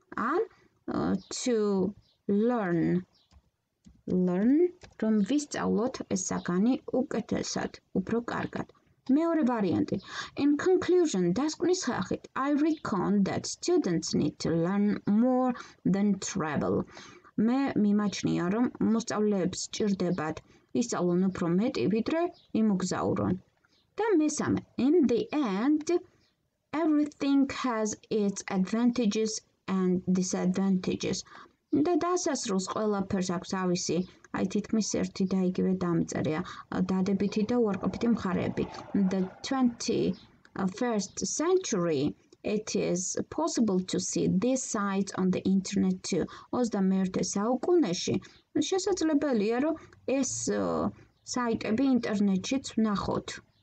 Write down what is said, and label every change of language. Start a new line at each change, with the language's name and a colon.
English: And to learn
Georgian: რომ ვისწავლოთ ეს საგანი უკეთესად, უფრო კარგად. Მეორე ვარიანტი.
English: In conclusion,
Georgian: დასკვნის ხახით,
English: I reckon that students need to learn more than travel.
Georgian: Მე მიმაჩნია, რომ მოსწავლეებს ჭირდებათ ისწავლონ უფრო მეტი, ვიდრე იმოგზაურონ. Და მესამე.
English: In the end, everything has its advantages and disadvantages.
Georgian: Და დასასრულს ყველაფერს აქვს ავისი, აი თითქმის ერთი და იგივე დამწერია, დადებითი და უარყოფითი მხარეები.
English: The 21st century, it is possible to see these sites on the internet too.
Georgian: 21 საუკუნეში შესაძლებელია, რომ ეს საიტები ინტერნეტშიც ვნახოთ.